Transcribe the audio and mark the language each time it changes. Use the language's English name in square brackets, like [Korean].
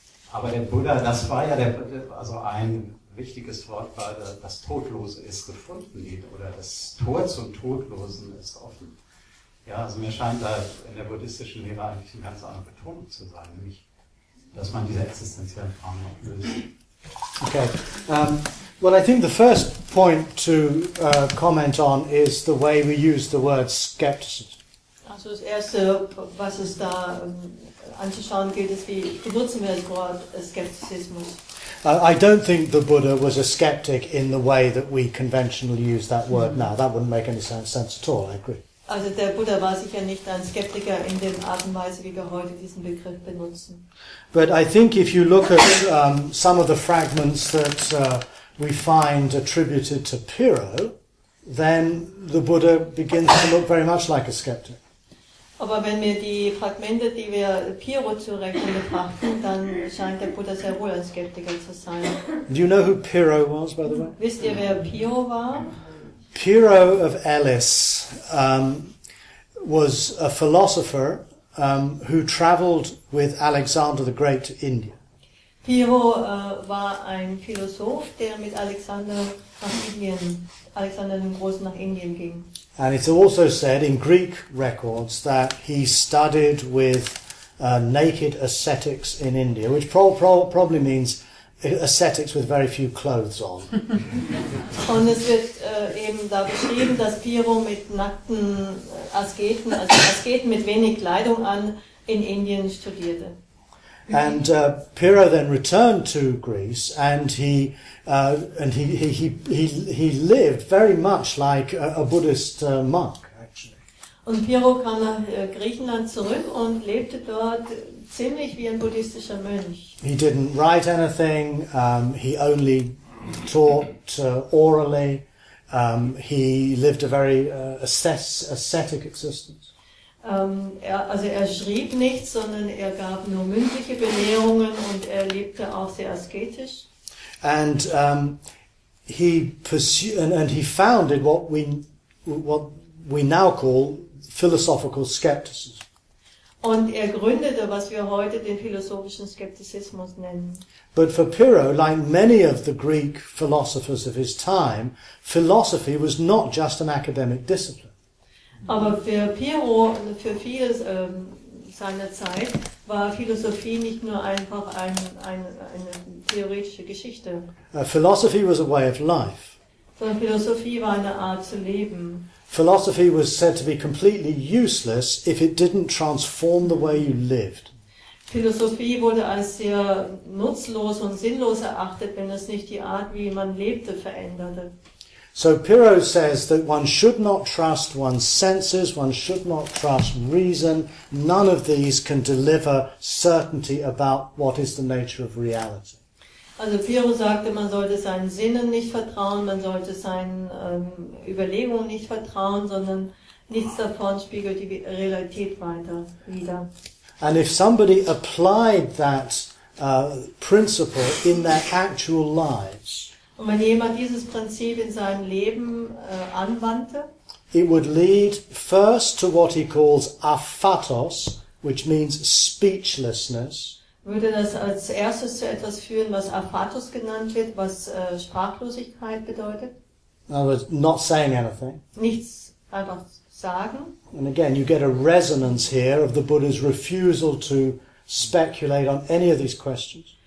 [German] Aber der Buddha, das war ja ein wichtiges Wort, war das Todlose ist gefunden, oder das Tor zum Todlosen ist offen. Ja, also mir scheint da in der buddhistischen Lehre eigentlich eine ganz andere Betonung zu sein, nämlich, dass man diese existenziellen Fragen auch löst. [English] Okay. Well, I think the first point to comment on is the way we use the word skepticism. [German] Also das erste, was es da anzuschauen gilt, ist, wie benutzen wir das Wort Skeptizismus? [English] I don't think the Buddha was a skeptic in the way that we conventionally use that word now. That wouldn't make any sense at all, I agree. [German] Also der Buddha war sicher nicht ein Skeptiker in der Art und Weise, wie wir heute diesen Begriff benutzen. [English] But I think if you look at some of the fragments that we find attributed to Pyrrho, then the Buddha begins to look very much like a skeptic. [German] Aber wenn wir die Fragmente, die wir Pyrrho zurechnen, betrachten, dann scheint der Buddha sehr wohl ein Skeptiker zu sein. [English] Do you know who Pyrrho was, by the way? [German] Wisst ihr, wer Pyrrho war? [English] Pyrrho of Elis was a philosopher who travelled with Alexander the Great to India. [German] Pyrrho war ein Philosoph, der mit Alexander dem Großen nach Indien ging. [English] And it's also said in Greek records that he studied with naked ascetics in India, which probably means ascetics with very few clothes on. [German] Und es wird eben da beschrieben, dass Pyrrho mit nackten Asketen, also Asketen mit wenig Kleidung an, in Indien studierte. [English] And Pyrrho then returned to Greece, and he lived very much like a Buddhist monk, actually. [German] Und Pyrrho kam nach Griechenland zurück und lebte dort ziemlich wie ein buddhistischer Mönch. [English] He didn't write anything. He only taught orally. He lived a very ascetic existence. [German] Er schrieb nichts, sondern er gab nur mündliche Belehrungen und er lebte auch sehr asketisch. [English] And he founded what we now call philosophical skepticism. [German] Und er gründete, was wir heute den philosophischen Skeptizismus nennen. [English] But for Pyrrho, like many of the Greek philosophers of his time, philosophy was not just an academic discipline. [German] Aber für Pyrrho und für viele seiner Zeit war Philosophie nicht nur einfach eine theoretische Geschichte. [English] Philosophy was a way of life. [German] Sondern Philosophie war eine Art zu leben. [English] Philosophy was said to be completely useless if it didn't transform the way you lived. [German] Philosophie wurde als sehr nutzlos und sinnlos erachtet, wenn es nicht die Art, wie man lebte, veränderte. [English] So Pyrrho says that one should not trust one's senses, one should not trust reason. None of these can deliver certainty about what is the nature of reality. [German] Also Pyrrho sagte, man sollte seinen Sinnen nicht vertrauen, man sollte seinen Überlegungen nicht vertrauen, sondern nichts davon spiegelt die Realität weiter wider. [English] And if somebody applied that principle in their actual lives, [German] und wenn jemand dieses Prinzip in seinem Leben anwandte, [English] it would lead first to what he calls aphatos, which means speechlessness. [German] Würde das als erstes zu etwas führen, was aphatos genannt wird, was Sprachlosigkeit bedeutet. [English] In other words, not saying anything. [German] Nichts einfach sagen. [English] And again, you get a resonance here of the Buddha's refusal to speculate on any of these questions.